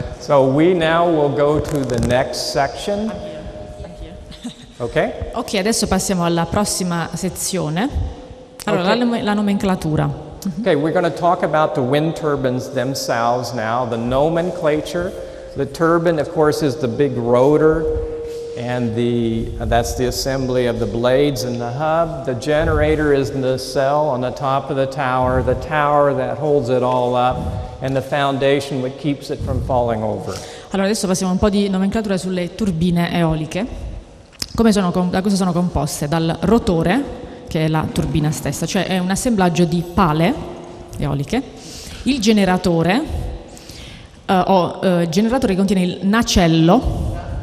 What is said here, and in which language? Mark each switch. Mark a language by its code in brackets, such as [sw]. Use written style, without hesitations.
[en] So we now will go to the next section. Okay? [it] Ok, adesso passiamo alla prossima sezione. Allora, okay. la nomenclatura. [en] Okay, we're going to talk about the wind turbines themselves now, the nomenclature. The turbine, of course, is the big rotor, and that's the assembly of the blades and the hub. The generator is the cell on the top of the tower that holds it all up, and the foundation which keeps it from falling over. [it] Allora, adesso passiamo un po' di nomenclatura sulle turbine eoliche. Come sono, da cosa sono composte? Dal rotore, che è la turbina stessa, cioè è un assemblaggio di pale eoliche, il generatore, generatore che contiene il nacello,